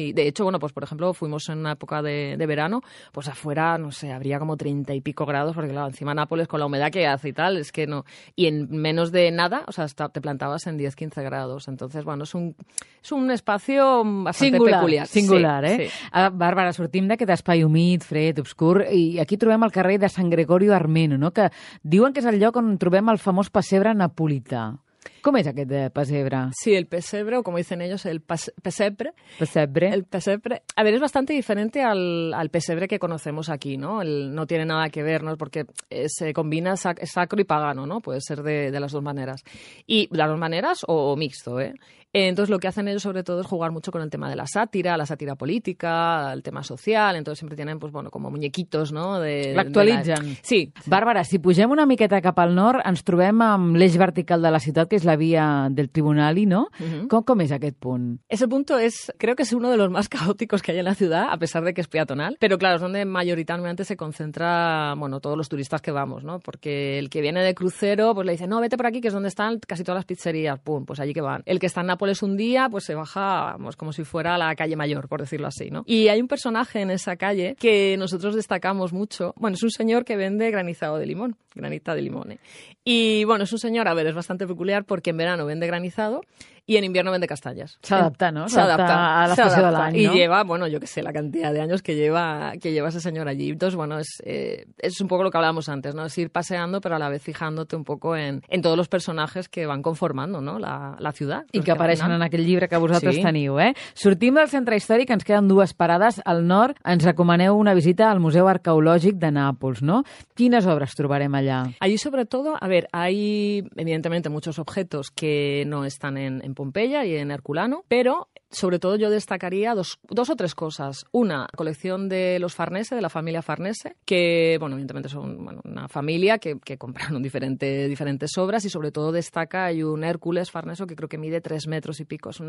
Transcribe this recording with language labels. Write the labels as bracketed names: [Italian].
[Spanish] Y de hecho, bueno, pues por ejemplo, fuimos en una época de verano, pues afuera, no sé, habría como 30 y pico grados, porque claro, encima Nápoles con la humedad que hace y tal, es que no. Y en menos de nada, o sea, te plantabas en 10, 15 grados. Entonces, bueno, es un espacio bastante singular, sí, ¿eh? Sí. [Catalan] Bàrbara, sortim d'aquest espai humit, fred, obscur, i aquí trobem el carrer de Sant Gregorio Armeno, no?, que diuen que és el lloc on trobem el famós pessebre napolità. ¿Com és aquest pessebre? [Spanish] Sí, el pessebre, o com dicen ellos, el pessebre. Pessebre. El pessebre. A ver, es bastante diferente al pessebre que conocemos aquí, ¿no? El, no tiene nada que ver, ¿no? Porque se combina sacro y pagano, ¿no? Puede ser de las dos maneras. Y las dos maneras o mixto, ¿eh? Entonces, lo que hacen ellos, sobre todo, es jugar mucho con el tema de la sátira política, el tema social. Entonces, siempre tienen, pues, bueno, como muñequitos, ¿no? [Catalan] L'actualitzen. Sí. Bàrbara, si pugem una miqueta cap al nord, ens trobem amb l'eix vertical de la ciutat, que és la via del tribunal, ¿no? Uh-huh. ¿Com és aquest punt? [Spanish] Ese punto es, creo que es uno de los más caóticos que hay en la ciudad, a pesar de que es peatonal. Pero claro, es donde mayoritariamente se concentra, bueno, todos los turistas que vamos, ¿no? Porque el que viene de crucero, pues le dice, no, vete por aquí, que es donde están casi todas las pizzerías. Pum, pues allí que van. El que está en Nápoles un día, pues se baja, vamos, como si fuera a la calle mayor, por decirlo así, ¿no? Y hay un personaje en esa calle que nosotros destacamos mucho. Bueno, es un señor que vende granizado de limón, granita de limón, ¿eh? Y bueno, es un señor, a ver, es bastante peculiar porque en verano vende granizado y en invierno vende castañas. [Catalan] S'adapta, ¿no? S'adapta [Spanish] a la estación [Catalan] de l'any, [Spanish] ¿no? Y lleva, bueno, yo qué sé, la cantidad de años que lleva ese señor allí. Entonces, bueno, es un poco lo que hablábamos antes, ¿no? Es ir paseando, pero a la vez fijándote un poco en todos los personajes que van conformando, ¿no? La ciudad. [Catalan] I que apareixen en aquell llibre que vosaltres sí. Teniu, ¿eh? Sortim del centre històric, ens queden dues parades. Al nord, ens recomaneu una visita al Museu Arqueològic de Nàpols, ¿no? Quines obres trobarem allà? [Spanish] Allí, sobre todo, a ver, hay evidentemente muchos objetos que no están en Pompeya y en Herculano, pero sobre todo yo destacaría dos o tres cosas. Una, colección de los Farnese, de la familia Farnese, que bueno, evidentemente son bueno, una familia que compraron diferentes obras y sobre todo destaca, hay un Hércules Farneso que creo que mide 3 metros y pico.